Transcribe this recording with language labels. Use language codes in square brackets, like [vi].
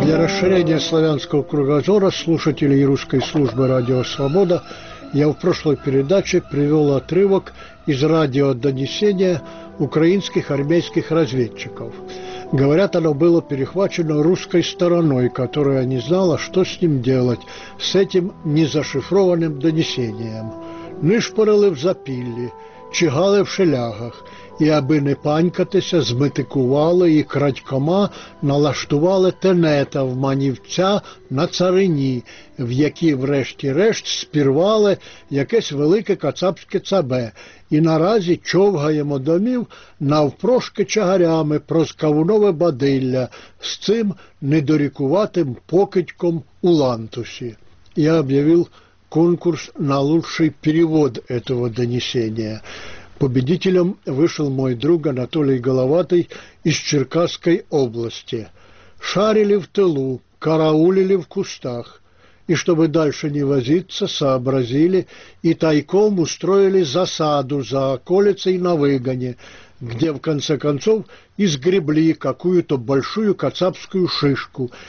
[ru] Для расширения славянского кругозора слушателей русской службы «Радио Свобода» я в прошлой передаче привел отрывок из радиодонесения украинских армейских разведчиков. Говорят, оно было перехвачено русской стороной, которая не знала, что с ним делать, с этим незашифрованным донесением. [uk] «Ми шпорили в запилі, чигали в шелягах, і аби не панькатися, зметикували і крадькома налаштували тенета в манівця на царині, в якій врешті-решт спірвали якесь велике кацапське цабе, і наразі човгаємо домів навпрошки чагарями проз кавунове бадилля з цим недорікуватим покидьком у лантусі». [ru] Я [uk] об'явив [ru] конкурс на лучший перевод этого донесения. Победителем вышел мой друг Анатолий Головатый из Черкасской области. Шарили в тылу, караулили в кустах. И чтобы дальше не возиться, сообразили и тайком устроили засаду за околицей на выгоне, где в конце концов изгребли какую-то большую кацапскую шишку.